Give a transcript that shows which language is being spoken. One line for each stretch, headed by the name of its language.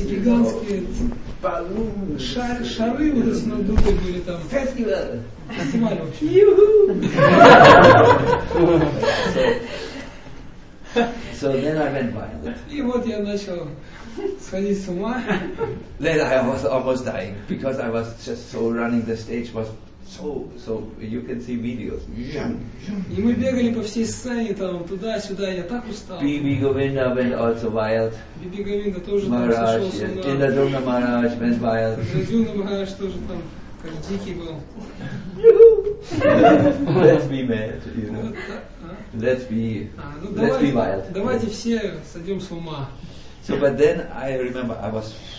Russian: Гигантские
English: balloons.
Russian: Шары вот эти над дугой были там.
English: Festival.
Russian: Фестиваль вообще. Юху.
English: So then I went violent.
Russian: И вот я начал сходить с ума.
English: Then I was almost dying because I was just so running. The stage was so you can see videos.
Russian: И мы бегали по всей сцене там туда-сюда. Я так устал.
English: B.B. Govinda went also wild. B.B.
Russian: Govinda тоже там сошел с ума.
English: Индрадюна Махарадж went wild.
Russian: Индрадюна Махарадж тоже там как дикий был.
English: Let's be mad, you know. Let's be wild.
Russian: Давайте все сойдем с ума.
English: So, but then I remember I was.